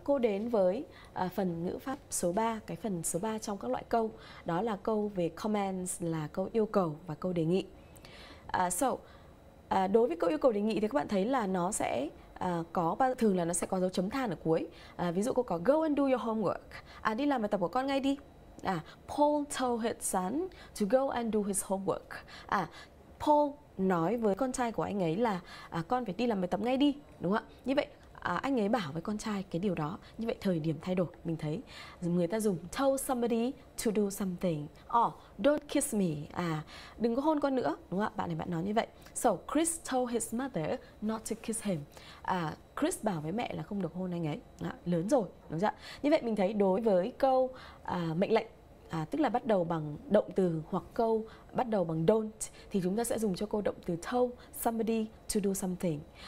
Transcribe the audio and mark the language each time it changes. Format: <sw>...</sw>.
<vi>Cô đến với phần ngữ pháp số 3. Cái phần số 3 trong các loại câu, đó là câu về comments, là câu yêu cầu và câu đề nghị. Đối với câu yêu cầu đề nghị thì các bạn thấy là nó sẽ thường là nó sẽ có dấu chấm than ở cuối. Ví dụ cô có</vi> <en>go and do your homework.</en> <vi>Đi làm bài tập của con ngay đi.</vi> <en>Paul told his son to go and do his homework.</en> <vi>Paul nói với con trai của anh ấy là con phải đi làm bài tập ngay đi, đúng không ạ? Như vậy anh ấy bảo với con trai cái điều đó. Như vậy thời điểm thay đổi, mình thấy người ta dùng</vi> <en>told somebody to do something. Don't kiss me.</en> <vi>Đừng có hôn con nữa, đúng không ạ? Bạn này bạn nói như vậy.</vi> <en>So Chris told his mother not to kiss him.</en> <vi>Chris bảo với mẹ là không được hôn anh ấy. Lớn rồi, đúng không ạ? Như vậy mình thấy đối với câu mệnh lệnh, tức là bắt đầu bằng động từ hoặc câu bắt đầu bằng don't, thì chúng ta sẽ dùng cho câu động từ</vi> <en>told somebody to do something.</en>